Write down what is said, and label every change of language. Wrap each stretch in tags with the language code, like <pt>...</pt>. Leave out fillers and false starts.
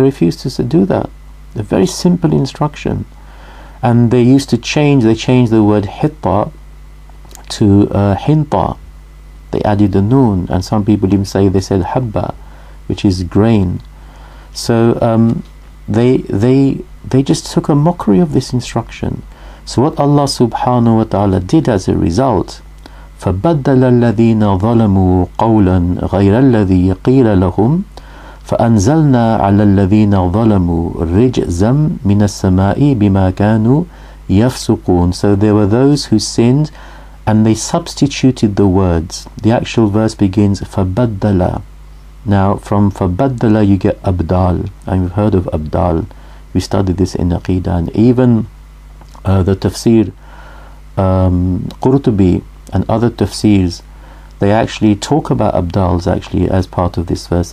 <en>They refused to do that. A very simple instruction. And they used to change, they changed the word hitta to hinta. They added the noon, and some people even say they said habba, which is grain. So they just took a mockery of this instruction. So what Allah subhanahu wa ta'ala did as a result,</en> <ar>فَبَدَّلَ الَّذِينَ ظَلَمُوا قَوْلًا غَيْرَ الَّذِي قِيلَ لَهُمْ فَأَنزَلْنَا عَلَى الَّذِينَ ظَلَمُوا رِجْزًا مِنَ السَّمَاءِ بِمَا كَانُوا يَفْسُقُونَ.</ar> <en>So there were those who sinned and they substituted the words. The actual verse begins فَبَدَّلَ. Now from فَبَدَّلَ you get abdal. And we've heard of abdal. We studied this in Aqidah. And even the tafsir Qurtubi and other tafsirs, they actually talk about abdals actually as part of this verse.</en>